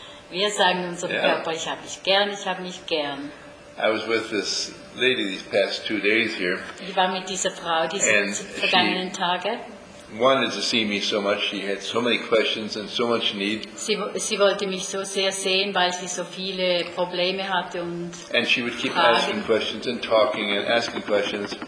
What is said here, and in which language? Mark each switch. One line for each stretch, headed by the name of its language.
German: Wir sagen unserem Körper, ich habe mich gern, ich habe mich gern.
English: I was with this lady these past 2 days here.
German: Ich war mit dieser Frau diese vergangenen Tage.
English: Wanted to see me so much. She had so many questions and so much need.
German: Sie wollte mich so sehr sehen, weil sie so viele Probleme hatte und.
English: And she would keep asking questions and talking and asking questions.